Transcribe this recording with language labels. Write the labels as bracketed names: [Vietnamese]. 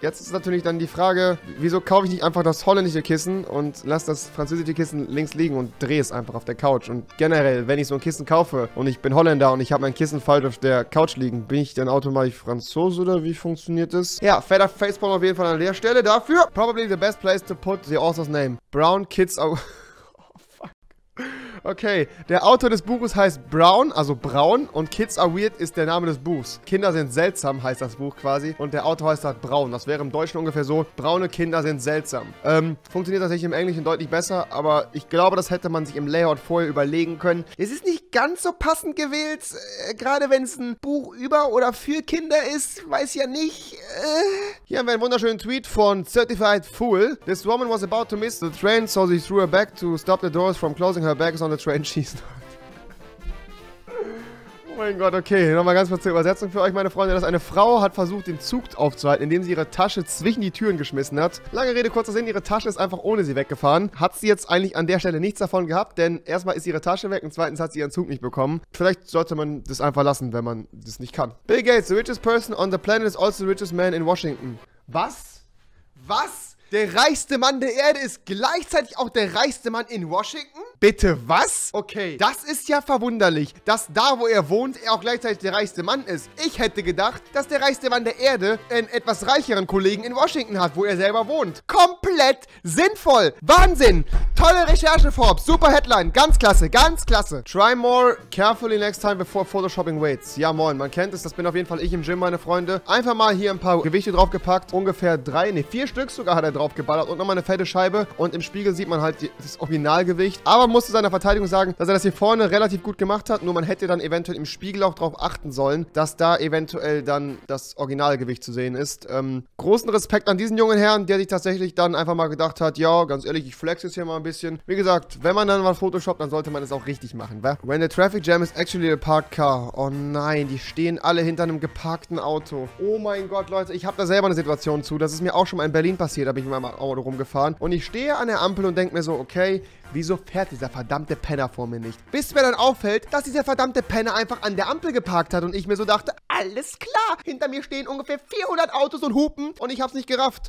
[German] Jetzt ist natürlich dann die Frage, wieso kaufe ich nicht einfach das holländische Kissen und lasse das französische Kissen links liegen und drehe es einfach auf der Couch. Und generell, wenn ich so ein Kissen kaufe und ich bin Holländer und ich habe mein Kissen falsch auf der Couch liegen, bin ich dann automatisch Franzose oder wie funktioniert das? Ja, fetter Facepalm auf jeden Fall an der Stelle dafür. [English] Probably the best place to put the author's name. Brown Kids are... [German] Okay, der Autor des Buches heißt Brown, also Braun, und Kids are Weird ist der Name des Buchs. Kinder sind seltsam, heißt das Buch quasi, und der Autor heißt halt Braun. Das wäre im Deutschen ungefähr so, braune Kinder sind seltsam. Funktioniert tatsächlich im Englischen deutlich besser, aber ich glaube, das hätte man sich im Layout vorher überlegen können. Es ist nicht ganz so passend gewählt, gerade wenn es ein Buch über oder für Kinder ist, weiß ja nicht. Hier haben wir einen wunderschönen Tweet von Certified Fool. [English] This woman was about to miss the train, so she threw her bag to stop the doors from closing her bags on the train, she's not. [German] Mein Gott, okay. Nochmal ganz kurz zur Übersetzung für euch, meine Freunde. Das ist eine Frau, hat versucht, den Zug aufzuhalten, indem sie ihre Tasche zwischen die Türen geschmissen hat. Lange Rede, kurzer Sinn, ihre Tasche ist einfach ohne sie weggefahren. Hat sie jetzt eigentlich an der Stelle nichts davon gehabt, denn erstmal ist ihre Tasche weg und zweitens hat sie ihren Zug nicht bekommen. Vielleicht sollte man das einfach lassen, wenn man das nicht kann. [English] Bill Gates, the richest person on the planet, is also the richest man in Washington. [German] Was? Was? Der reichste Mann der Erde ist gleichzeitig auch der reichste Mann in Washington? Bitte was? Okay, das ist ja verwunderlich, dass da, wo er wohnt, er auch gleichzeitig der reichste Mann ist. Ich hätte gedacht, dass der reichste Mann der Erde einen etwas reicheren Kollegen in Washington hat, wo er selber wohnt. Komplett sinnvoll. Wahnsinn. Tolle Recherche, Forbes. Super Headline. Ganz klasse, ganz klasse. [English] Try more carefully next time before photoshopping weights. [German] Ja, moin, man kennt es. Das bin auf jeden Fall ich im Gym, meine Freunde. Einfach mal hier ein paar Gewichte draufgepackt. Ungefähr vier Stück sogar hat er draufgeballert. Und nochmal eine fette Scheibe. Und im Spiegel sieht man halt das Originalgewicht. Aber man musste seiner Verteidigung sagen, dass er das hier vorne relativ gut gemacht hat. Nur man hätte dann eventuell im Spiegel auch drauf achten sollen, dass da eventuell dann das Originalgewicht zu sehen ist. Großen Respekt an diesen jungen Herrn, der sich tatsächlich dann einfach mal gedacht hat, ja, ganz ehrlich, ich flex jetzt hier mal ein bisschen. Wie gesagt, wenn man dann mal photoshoppt, dann sollte man es auch richtig machen, wa? [English] When the traffic jam is actually a parked car. [German] Oh nein, die stehen alle hinter einem geparkten Auto. Oh mein Gott, Leute, ich habe da selber eine Situation zu. Das ist mir auch schon mal in Berlin passiert. Da bin ich mit meinem Auto rumgefahren. Und ich stehe an der Ampel und denke mir so, okay, wieso fährt dieser verdammte Penner vor mir nicht? Bis mir dann auffällt, dass dieser verdammte Penner einfach an der Ampel geparkt hat und ich mir so dachte, alles klar, hinter mir stehen ungefähr 400 Autos und hupen und ich hab's nicht gerafft.